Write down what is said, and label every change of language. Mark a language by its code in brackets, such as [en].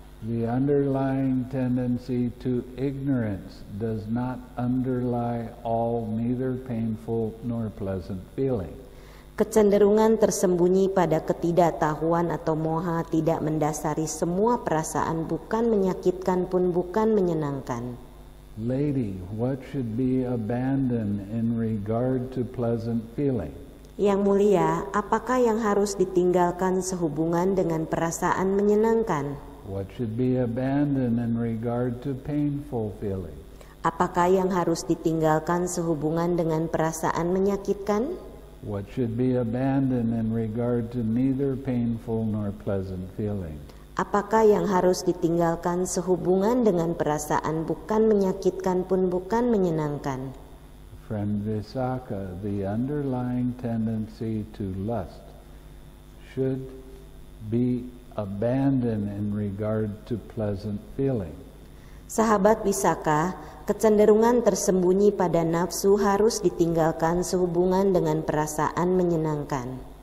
[en] The underlying tendency to ignorance does not underlie all neither painful nor pleasant feeling. [id] Kecenderungan tersembunyi pada ketidaktahuan atau moha tidak mendasari semua perasaan bukan menyakitkan pun bukan menyenangkan. [en] Lady, what should be abandoned in regard to pleasant feeling? [id] Yang mulia, apakah yang harus ditinggalkan sehubungan dengan perasaan menyenangkan? [en] What should be abandoned in regard to painful feelings? [id] Apakah yang harus ditinggalkan sehubungan dengan perasaan menyakitkan? [en] What should be abandoned in regard to neither painful nor pleasant feeling? [id] Apakah yang harus ditinggalkan sehubungan dengan perasaan bukan menyakitkan pun bukan menyenangkan? [en] From Visakha, the underlying tendency to lust should be abandoned in regard to pleasant feeling. [id] Sahabat Visakha, kecenderungan tersembunyi pada nafsu harus ditinggalkan sehubungan dengan perasaan menyenangkan.